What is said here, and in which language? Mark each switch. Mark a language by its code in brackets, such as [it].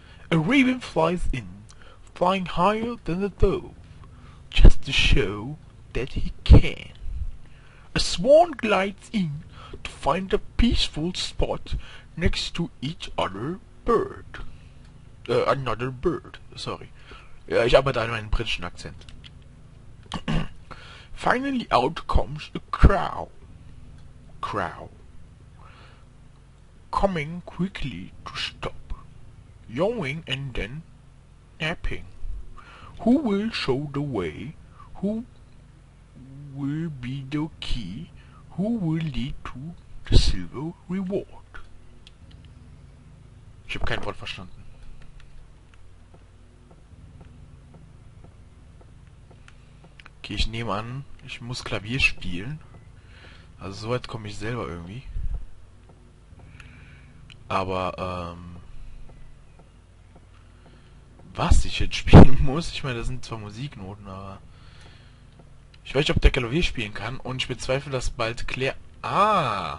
[en] A raven flies in, flying higher than the dove, just to show that he can. A swan glides in to find a peaceful spot next to each other bird. Another bird, sorry. [de] Ja, ich arbeite an meinem britischen Akzent. [en] Finally out comes a crow. Crow. Coming quickly to stop. Yawning and then napping. Who will show the way? Who will be the key? Who will lead to the silver reward? [de] Ich habe kein Wort verstanden. Ich nehme an, ich muss Klavier spielen. Also so weit komme ich selber irgendwie. Aber was ich jetzt spielen muss, ich meine, das sind zwar Musiknoten, aber ich weiß nicht, ob der Klavier spielen kann und ich bezweifle, dass bald Claire. Ah!